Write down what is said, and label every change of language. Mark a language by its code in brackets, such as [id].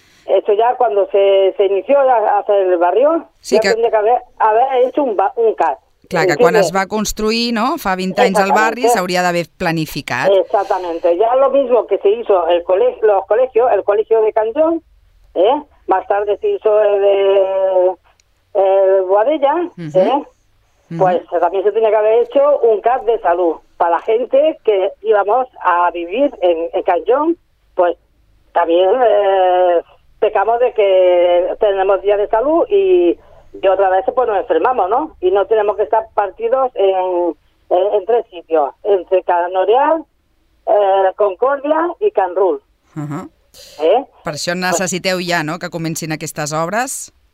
[es] Esto ya cuando se inició a hacer el barrio, sí, ya que tendría que haber hecho un CAS. [ca] Clar, que quan es va construir, no?, fa 20 anys al barri, s'hauria d'haver planificat. [es] Exactamente. Ya lo mismo que se hizo el colegio de Canyon, más tarde se hizo el Boadella, pues también se tenía que haber hecho un CAP de salud para la gente que íbamos a vivir en Canyon. Pues también pecamos de que tenemos días de salud y otra vez pues nos enfermamos, ¿no? Y no tenemos que estar partidos en tres sitios, entre Canorial, Concordia y Canrul. Uh-huh. [ca] Per això necessiteu ja, no?, que comencin aquestes obres.